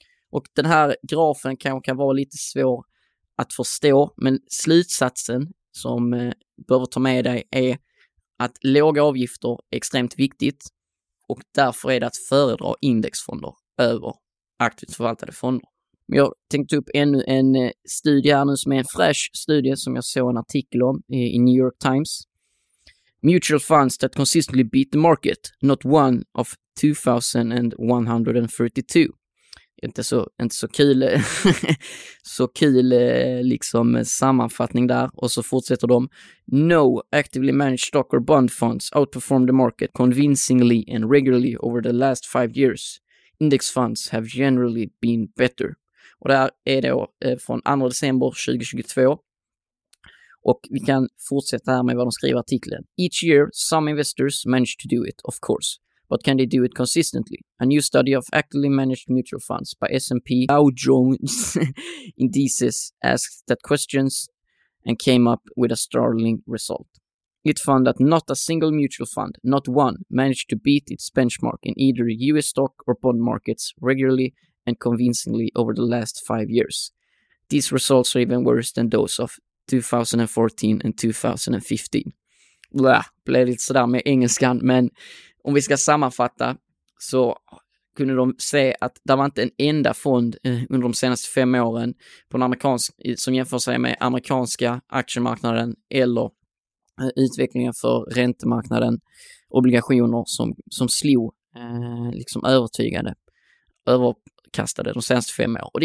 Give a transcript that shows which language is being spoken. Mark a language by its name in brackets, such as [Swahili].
[Swedish] Och den här grafen kan vara lite svår att förstå, men slutsatsen som behöver ta med dig är att låga avgifter är extremt viktigt och därför är det att föredra indexfonder över aktivt förvaltade fonder. Men jag tänkte upp ännu en studie här nu som är en fresh studie som jag såg en artikel om i New York Times. [English] Mutual funds that consistently beat the market, not one of 2,132. [Swedish] Inte så kul så kul liksom sammanfattning där och så fortsätter de. [English] No actively managed stock or bond funds outperformed the market convincingly and regularly over the last 5 years. Index funds have generally been better. [Swedish] Och det här är då från 2 december 2022. Och vi kan fortsätta här med vad de skriver i artikeln. [English] Each year some investors manage to do it, of course. But can they do it consistently? A new study of actively managed mutual funds by S&P Dow Jones Indices asked that questions and came up with a startling result. It found that not a single mutual fund, not one, managed to beat its benchmark in either US stock or bond markets regularly and convincingly over the last 5 years. These results are even worse than those of 2014 and 2015. [Swedish] Blah, blev lite sådär med engelskan, men om vi ska sammanfatta så kunde de se att det var inte en enda fond under de senaste 5 åren på en amerikansk, som jämför sig med amerikanska aktiemarknaden eller utvecklingen för räntemarknaden, obligationer som slog liksom övertygande, överkastade de senaste 5 åren.